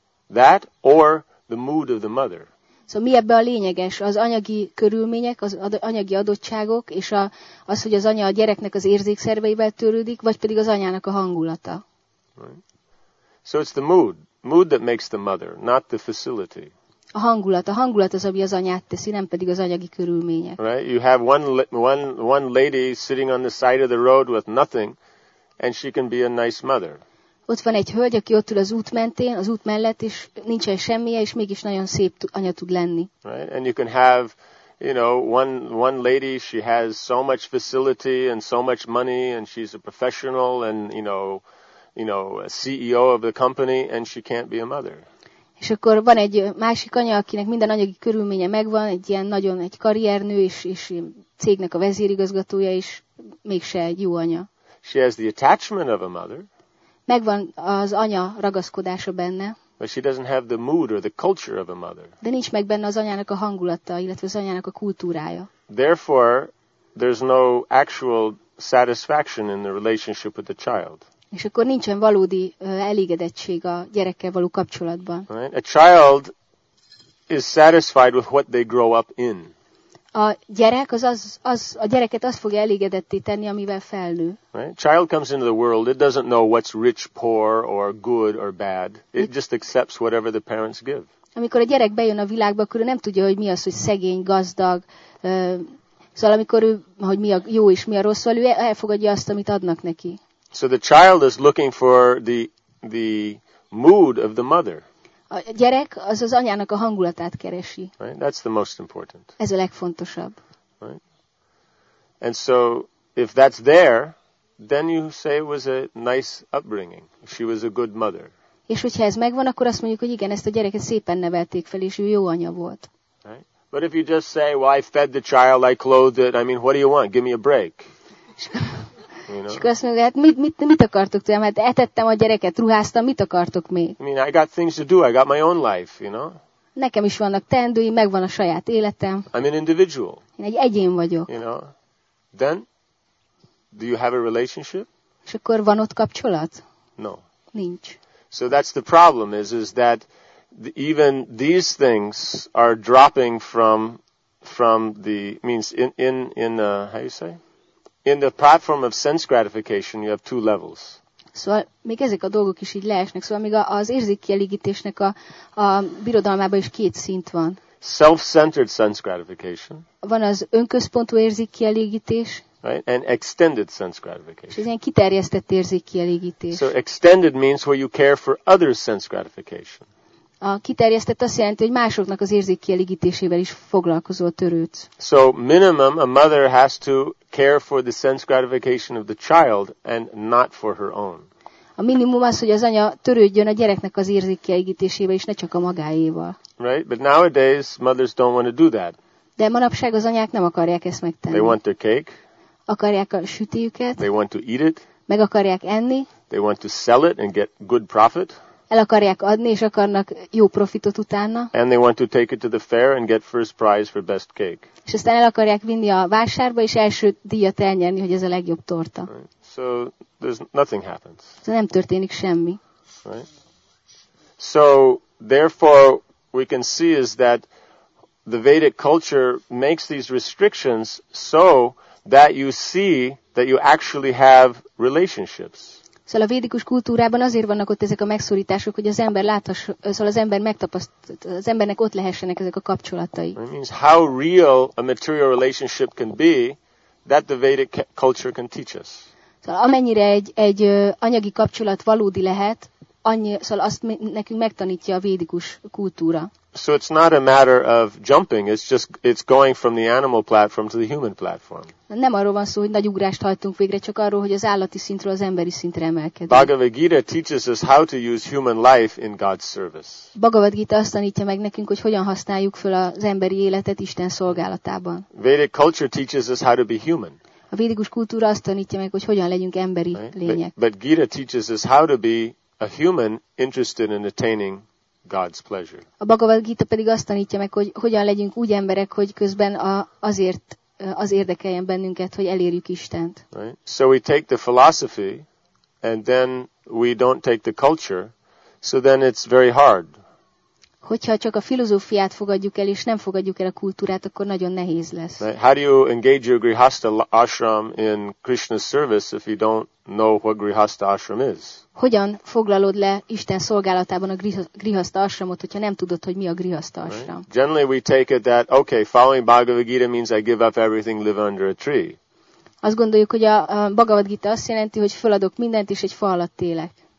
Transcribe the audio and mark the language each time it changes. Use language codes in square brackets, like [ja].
[en] That or the mood of the mother? [hu] Szóval mi ebben a lényeges? Az anyagi körülmények, az anyagi adottságok, és az, hogy az anya a gyereknek az érzékszerveivel törődik, vagy pedig az anyának a hangulata. [en] Right. So it's the mood that makes the mother, not the facility. [hu] A hangulat az, ami az anyát teszi, nem pedig az anyagi körülmények. [en] Right? You have one lady sitting on the side of the road with nothing, and she can be a nice mother. [hu] Ott van egy hölgy, aki ott ül az út mentén, az út mellett, és nincsen semmije, és mégis nagyon szép anya tud lenni. [en] Right? And you can have, you know, one lady, she has so much facility and so much money, and she's a professional and, you know, a CEO of the company, and she can't be a mother. [hu] És akkor van egy másik anya, akinek minden anyagi körülménye megvan, egy ilyen nagyon egy karriernő, és cégnek a vezérigazgatója, és mégse egy jó anya. [en] She has the attachment of a mother. [hu] Megvan az anya ragaszkodása benne. [en] But she doesn't have the mood or the culture of a mother. [hu] De nincs meg benne az anyának a hangulata, illetve az anyának a kultúrája. [en] Therefore, there's no actual satisfaction in the relationship with the child. [hu] És akkor nincsen valódi elégedettség a gyerekkel való kapcsolatban. [en] Right? A child is satisfied with what they grow up in. [hu] A gyerek a gyereket az fogja elégedetté tenni, amivel felnő. [en] Right? Child comes into the world, it doesn't know what's rich, poor, or good or bad. It just accepts whatever the parents give. [hu] Amikor a gyerek bejön a világba, akkor ő nem tudja, hogy mi az, hogy szegény, gazdag. Szóval amikor ő, hogy mi a jó és mi a rossz, ő elfogadja azt, amit adnak neki. [en] So the child is looking for the mood of the mother. [hu] A gyerek az az anyának a hangulatát keresi. [en] Right? That's the most important. [hu] Ez a legfontosabb. [en] Right? And so if that's there, then you say it was a nice upbringing. She was a good mother. [hu] És hogyha ez megvan, akkor azt mondjuk, hogy igen, ezt a gyereket szépen nevelték fel, és ő jó anya volt. [en] Right? But if you just say, well, I fed the child, I clothed it, I mean, what do you want? Give me a break. You know? [hu] És akkor azt mondja, hát mit akartok tőlem? Hát etettem a gyereket, ruháztam, mit akartok még? [en] I mean, I got things to do, I got my own life, you know? [hu] Nekem is vannak teendői, megvan a saját életem. [en] I'm an individual. [hu] Én egy egyén vagyok. [en] You know? Then, do you have a relationship? [hu] És akkor van ott kapcsolat? [en] No. [hu] Nincs. [en] So that's the problem, is that even these things are dropping from the, means how you say? In the platform of sense gratification, you have two levels. [hu] Szóval még ezek a dolgok is így leesnek. Szóval még az érzékkielégítésnek a birodalmában is két szint van. [en] Self-centered sense gratification. [hu] Van az önközpontú érzékkielégítés. [en] Right? And extended sense gratification. [hu] És ez ilyen kiterjesztett érzékkielégítés. [en] So extended means where you care for other sense gratification. [hu] A kiterjesztett azt jelenti, hogy másoknak az érzékkielégítésével is foglalkozol, törődsz. [en] So minimum a mother has to care for the sense gratification of the child and not for her own. [hu] A minimum az, hogy az anya törődjön a gyereknek az érzékkielégítésével is, ne csak a magáéval. [en] Right, but nowadays mothers don't want to do that. [hu] De manapság az anyák nem akarják ezt megtenni. [en] They want their cake. [hu] Akarják a sütéjüket. [en] They want to eat it. [hu] Meg akarják enni. [en] They want to sell it and get good profit. [hu] El akarják adni, és akarnak jó profitot utána. [en] And they want to take it to the fair and get first prize for best cake. [hu] És aztán el akarják vinni a vásárba, és első díjat elnyerni, hogy ez a legjobb torta. [en] Right. So there's nothing happens. [hu] So nem történik semmi. [en] Right. So therefore we can see is that the Vedic culture makes these restrictions so that you see that you actually have relationships. [hu] Szóval a védikus kultúrában azért vannak ott ezek a megszorítások, hogy az ember láthassa, szóval az ember megtapasztalt, az embernek ott lehessenek ezek a kapcsolatai. [en] It means how real a material relationship can be, that the Vedic culture can teach us. [hu] Szóval amennyire egy anyagi kapcsolat valódi lehet, szóval azt nekünk megtanítja a védikus kultúra. [en] So it's not a matter of jumping, it's going from the animal platform to the human platform. [hu] Nem arról van szó, hogy nagy ugrást hajtunk végre, csak arról, hogy az állati szintről az emberi szintre emelkedünk. [en] Bhagavad Gita teaches us how to use human life in God's service. [hu] Bhagavad Gita azt tanítja meg nekünk, hogy hogyan használjuk fel az emberi életet Isten szolgálatában. [en] Vedic culture teaches us how to be human. [hu] A védikus kultúra azt tanítja meg, hogy hogyan legyünk emberi lények. [en] But Gita teaches us how to be a human interested in attaining God's pleasure. [hu] A Bhagavad Gita pedig azt tanítja meg, hogy hogyan legyünk úgy emberek, hogy közben az érdekeljen bennünket, hogy elérjük Istent. [en] Right? So we take the philosophy, and then we don't take the culture, so then it's very hard. [hu] Hogyha csak a filozófiát fogadjuk el, és nem fogadjuk el a kultúrát, akkor nagyon nehéz lesz. [en] Right? How do you engage your grihastha ashram in Krishna's service if you don't know what grihastha ashram is? [hu] Hogyan foglalod le Isten szolgálatában a grihastha ashramot, hogyha nem tudod, hogy mi a grihastha ashram? [en] Right? Generally we take it that, okay, following Bhagavad Gita means I give up everything, live under a tree. [hu] Azt gondoljuk, hogy a Bhagavad Gita azt jelenti, hogy feladok mindent, és egy fa alatt élek.